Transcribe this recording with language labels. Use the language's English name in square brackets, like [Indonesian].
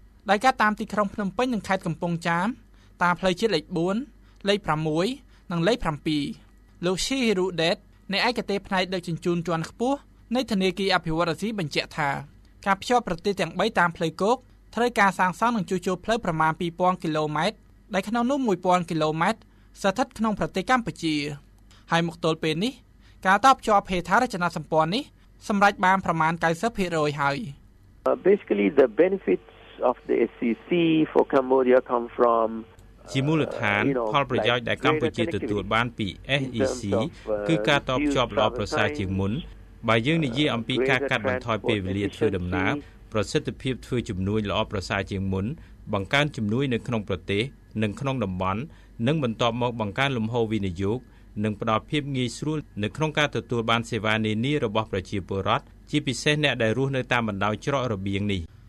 [Khmer] ដោយការតាមទីក្រុងភ្នំពេញនិងខេត្តកំពង់ចាមតាមផ្លូវជាតិលេខ4លេខ6និងលេខ7លោកស៊ីរូដេតនៃឯកទេសផ្នែកដឹកជញ្ជូនជាន់ខ្ពស់នៃធនាគារអភិវឌ្ឍន៍អាស៊ីបញ្ជាក់ថាការភ្ជាប់ប្រទេសទាំង3តាមផ្លូវគោកត្រូវការសាងសង់និងជួសជុលផ្លូវប្រមាណ2000គីឡូម៉ែត្រដែលក្នុងនោះ1000គីឡូម៉ែត្រស្ថិតក្នុងប្រទេសកម្ពុជាហើយមកទល់ពេលនេះការតបជាប់ហេដ្ឋារចនាសម្ព័ន្ធនេះសម្រាប់បានប្រមាណ 90% ហើយ [English] Basically the benefits of the SCC for Cambodia come from [Khmer] ជាមូលដ្ឋានផលប្រយោជន៍ដែលកម្ពុជាទទួលបានពី SEC គឺការតបជាប់ល្អប្រសើរជាងមុនបើយើងនិយាយអំពីការកាត់បន្ថយពេលវេលាធ្វើដំណើរប្រសិទ្ធភាពធ្វើជំនួយល្អប្រសើរជាងមុនបង្កើនជំនួយនៅក្នុងប្រទេសនិងក្នុងតំបន់និងបន្តមកបង្កើនលំហូរវិនិយោគនិងផ្តល់ភាពងាយស្រួលនៅក្នុងការទទួលបានសេវានានារបស់ប្រជាពលរដ្ឋជាពិសេសអ្នកដែលរស់នៅតាមបណ្ដោយច្រករបៀងនេះ